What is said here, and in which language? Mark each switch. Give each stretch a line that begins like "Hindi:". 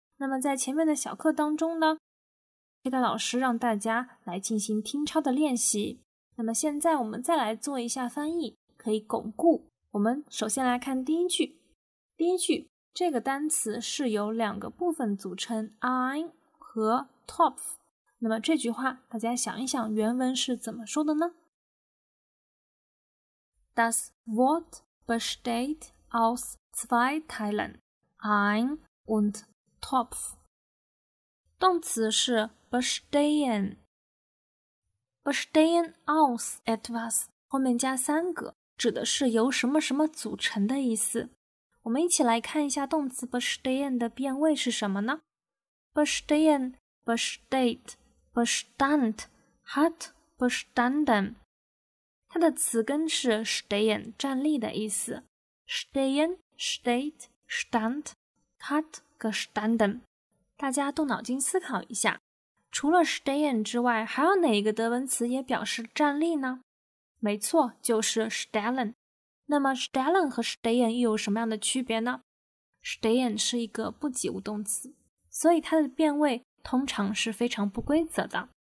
Chinese: 那么在前面的小课当中呢，黑大老师让大家来进行听抄的练习，那么现在我们再来做一下翻译，可以巩固。我们首先来看第一句。第一句，这个单词是由两个部分组成 ein 和 Topf。那么这句话大家想一想，原文是怎么说的呢？
German: Das Wort besteht aus zwei Teilen, ein und Topf。
Chinese: 动词是 bestehen， bestehen aus etwas 后面加三个，指的是由什么什么组成的意思。我们一起来看一下动词 bestehen 的变位是什么呢？
German: bestehen, besteht, bestand, hat, bestanden，
Chinese: 它的词根是
German: stehen，
Chinese: 站立的意思。
German: stehen, steht, stand, hat, gestanden。
Chinese: 大家动脑筋思考一下，除了 stehen 之外，还有哪一个德文词也表示站立呢？没错，就是 stellen。那么 stellen 和 stehen 又有什么样的区别呢？ stehen 是一个不及物动词，所以它的变位通常是非常不规则的。